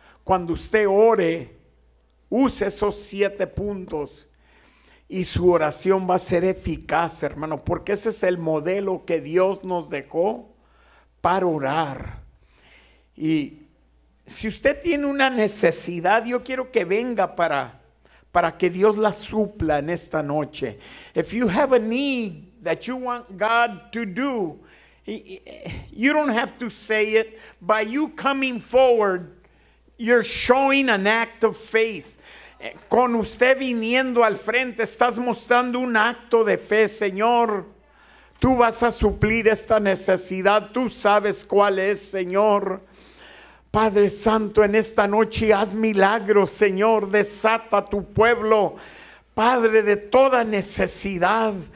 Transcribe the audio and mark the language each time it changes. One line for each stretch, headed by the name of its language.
Spanish: Cuando usted ore, use esos 7 puntos y su oración va a ser eficaz, hermano, porque ese es el modelo que Dios nos dejó para orar. Y si usted tiene una necesidad, yo quiero que venga para que Dios la supla en esta noche.
English: If you have a need that you want God to do, you don't have to say it. By you coming forward, you're showing an act of faith.
Spanish: Con usted viniendo al frente, estás mostrando un acto de fe. Señor, tú vas a suplir esta necesidad. Tú sabes cuál es, Señor. Padre Santo, en esta noche haz milagros, Señor. Desata tu pueblo, Padre, de toda necesidad.